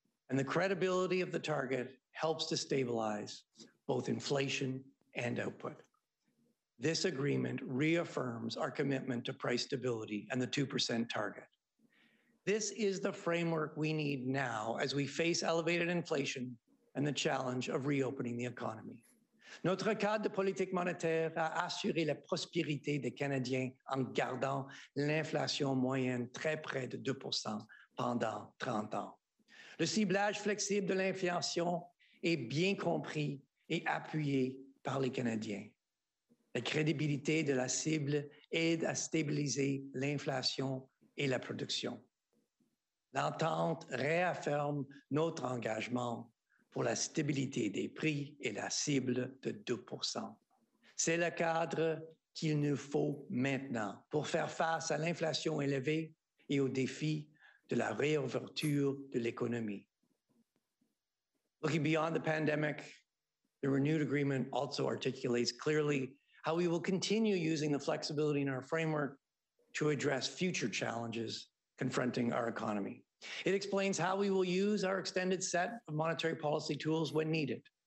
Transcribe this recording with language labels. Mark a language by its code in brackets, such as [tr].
[en] And the credibility of the target helps to stabilize both inflation and output. This agreement reaffirms our commitment to price stability and the 2% target. This is the framework we need now as we face elevated inflation and the challenge of reopening the economy. [fr] Notre cadre de politique monétaire a assuré la prospérité des Canadiens en gardant l'inflation moyenne très près de 2% pendant 30 ans. Le ciblage flexible de l'inflation est bien compris et appuyé par les Canadiens. La crédibilité de la cible aide à stabiliser l'inflation et la production. L'entente réaffirme notre engagement pour la stabilité des prix et la cible de 2%. C'est le cadre qu'il nous faut maintenant pour faire face à l'inflation élevée et aux défis de la réouverture de l'économie. [en] Looking beyond the pandemic, the renewed agreement also articulates clearly how we will continue using the flexibility in our framework to address future challenges confronting our economy. It explains how we will use our extended set of monetary policy tools when needed.